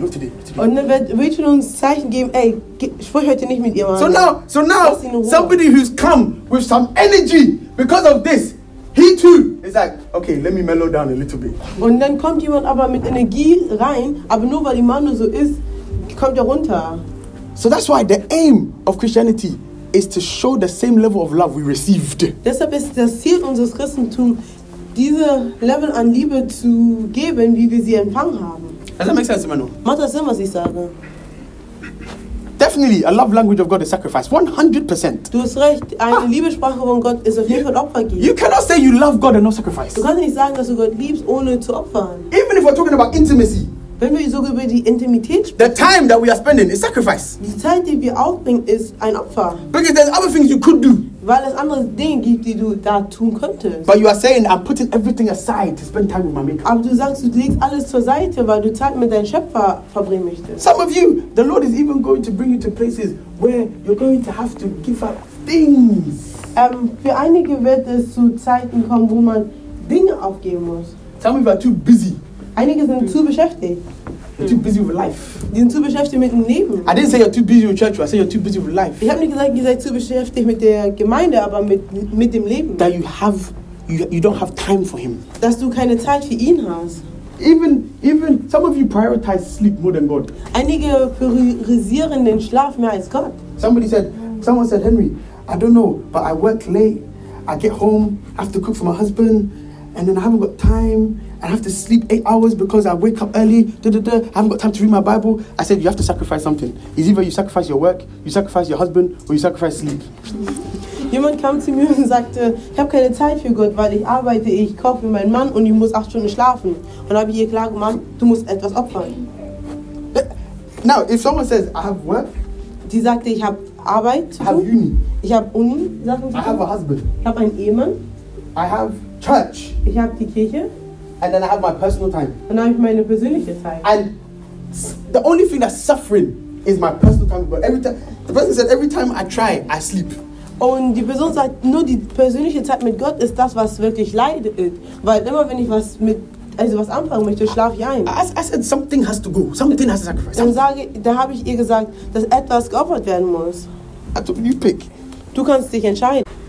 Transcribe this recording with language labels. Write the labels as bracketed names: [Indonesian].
[German] Und dann wird Rachel uns ein Zeichen geben, ey, sprich heute nicht mit ihr, Mann. [English] So now, somebody who's come with some energy because of this, he too is like, okay, let me mellow down a little bit. [German] Und dann kommt jemand aber mit Energie rein, aber nur weil die Mann so ist, kommt runter. [English] So that's why the aim of Christianity is to show the same level of love we received. [German] Deshalb ist das Ziel unseres Christentums, diese Level an Liebe zu geben, wie wir sie empfangen haben. [English] That makes sense, Manu. [German] Macht das Sinn, was ich sage? [English] Definitely, a love language of God is sacrifice. 100%. [German] Du hast recht, eine Liebessprache von Gott ist auf jeden Fall Opfergeben. [English] You cannot say you love God and no sacrifice. [German] Du kannst nicht sagen, dass du Gott liebst, ohne zu opfern. [English] Even if we're talking about intimacy. [German] Wenn wir sogar über die Intimität sprechen, [English] the time that we are spending is sacrifice. [German] Die Zeit, die wir aufbringen, ist ein Opfer. [English] Because there's other things you could do. [German] Weil es andere Dinge gibt, die du da tun könntest. [English] But you are saying I'm putting everything aside to spend time with my Maker. [German] Aber du sagst, du legst alles zur Seite, weil du Zeit mit deinem Schöpfer verbringen möchtest. [English] Some of you, the Lord is even going to bring you to places where you're going to have to give up things. [German] Für einige wird es zu Zeiten kommen, wo man Dinge aufgeben muss. [English] Some of you are too busy. [German] Einige sind zu beschäftigt. [English] You're too busy with life. [German] Die sind zu beschäftigt mit dem Leben. [English] I didn't say you're too busy with church. I said you're too busy with life. [German] Ich habe nicht gesagt, ihr seid zu beschäftigt mit der Gemeinde, aber mit dem Leben. [English] That you don't have time for him. [German] Dass du keine Zeit für ihn hast. [English] Even some of you prioritize sleep more than God. [German] Einige priorisieren den Schlaf mehr als Gott. [English] Someone said, Henry, I don't know, but I work late. I get home, I have to cook for my husband, and then I haven't got time. I have to sleep 8 hours because I wake up early. I haven't got time to read my Bible. I said, you have to sacrifice something. It's either you sacrifice your work, you sacrifice your husband, or you sacrifice sleep. [German] Jemand kam zu mir und sagte, ich habe keine Zeit für Gott, weil ich arbeite, ich koche für meinen Mann und ich muss 8 Stunden schlafen. Und habe ich ihr klar gemacht, du musst etwas opfern. [English] Now, if someone says, I have work. [German] Die sagte, ich habe Arbeit. [English] I have Uni. [German] Ich habe Uni, sagen sie. [English] I have a husband. [German] Ich habe einen Ehemann. [English] I have church. [German] Ich habe die Kirche. [English] And then I have my personal time. [German] Und dann habe ich meine persönliche Zeit. [English] And the only thing that's suffering is my personal time. But every time, the person said, every time I try, I sleep. [German] Und die Person sagt, nur die persönliche Zeit mit Gott ist das, was wirklich leidet. Weil immer wenn ich was mit, also was anfangen möchte, schlafe ich ein. [English] I said, something has to go. Something has to sacrifice. [German] Da habe ich ihr gesagt, dass etwas geopfert werden muss. [English] You pick. [German] Du kannst dich entscheiden.